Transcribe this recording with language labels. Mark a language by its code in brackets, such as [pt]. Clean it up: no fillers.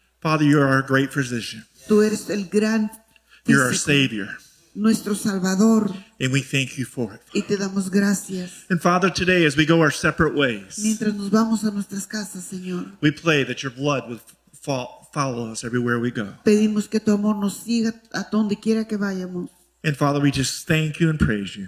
[en] Father, you are our great physician. [es] Tú eres el gran físico. [en] You're our Savior. [es] Nuestro Salvador. [en] And we thank you for it. [es] Y te damos gracias. [en] And Father, today as we go our separate ways, [es] mientras nos vamos a nuestras casas, Señor, [en] we pray that your blood would follow us everywhere we go. [es] Pedimos que tu amor nos siga a donde quiera que vayamos. [en] And Father, we just thank you and praise you.